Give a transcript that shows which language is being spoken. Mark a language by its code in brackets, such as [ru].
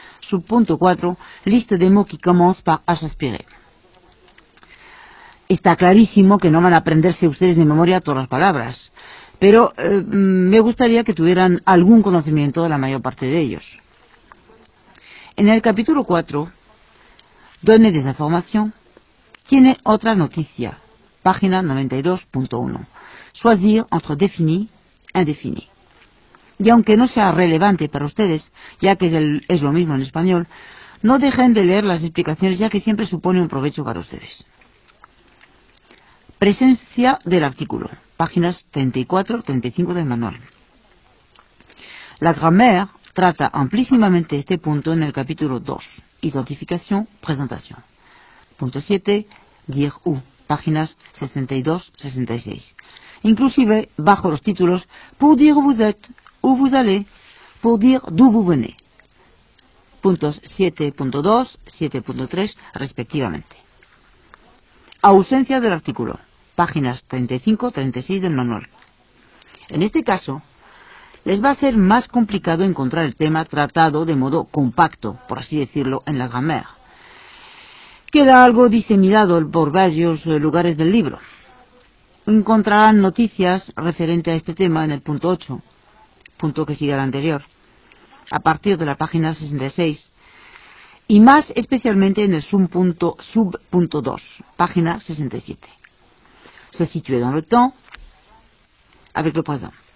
[es] Subpunto 4, [fr] liste de mots qui commence par H aspiré. [es] Está clarísimo que no van a aprenderse ustedes de memoria todas las palabras, pero me gustaría que tuvieran algún conocimiento de la mayor parte de ellos. En el capítulo 4, [fr] donne des informations, [es] tiene otra noticia, página 92.1. [fr] Choisir entre défini e indéfini. [es] Y aunque no sea relevante para ustedes, ya que es lo mismo en español, no dejen de leer las explicaciones, ya que siempre supone un provecho para ustedes. Presencia del artículo, páginas 34-35 del manual. La grammaire trata amplísimamente este punto en el capítulo 2, identificación, presentación. Punto 7, [fr] dire où, [es] páginas 62-66. Inclusive, bajo los títulos, [fr] pour dire vous êtes, où vous allez, pour dire d'où vous venez. [es] Puntos 7.2, 7.3, respectivamente. Ausencia del artículo, páginas 35-36 del manual. En este caso, les va a ser más complicado encontrar el tema tratado de modo compacto, por así decirlo, en la grammaire. Queda algo diseminado por varios lugares del libro. Encontrarán noticias referente a este tema en el punto 8, punto que sigue al anterior, a partir de la página 66, y más especialmente en el subpunto 2, página 67. Se sitúe en el [fr] temps, avec le présent.